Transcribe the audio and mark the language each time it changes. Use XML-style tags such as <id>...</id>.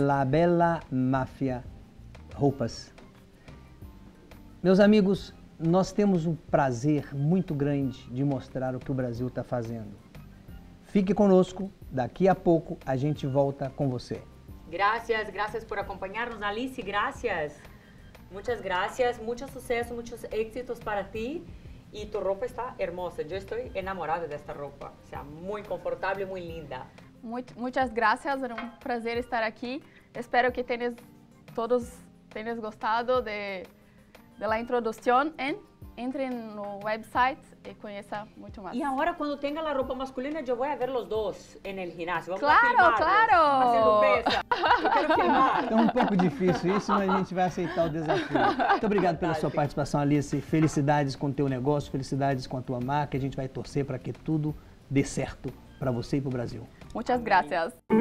<pt>Labela Mafia Roupas. Meus amigos, nós temos um prazer muito grande de mostrar o que o Brasil está fazendo. Fique conosco, daqui a pouco a gente volta com você.</pt> <es>Gracias, gracias por acompañarnos, Alice, gracias. Muchas gracias, mucho suceso, muchos éxitos para ti. Y tu ropa está hermosa, yo estoy enamorada de esta ropa. O sea, muy confortable, muy linda. Muchas gracias, era un placer estar aquí. Espero que todos tenés gustado de la introducción. Entre en el website y conozca mucho más. Y ahora cuando tenga la ropa masculina, yo voy a ver los dos en el gimnasio. Vamos, claro, claro. Haciendo pesa.</es> <pt>Eu quero filmar. É um pouco difícil isso, mas a gente vai aceitar o desafio. Muito obrigado pela sua participação, Alice. Felicidades com o teu negócio, felicidades com a tua marca. A gente vai torcer para que tudo dê certo para você e para o Brasil.</pt> <es>Muchas gracias.</es>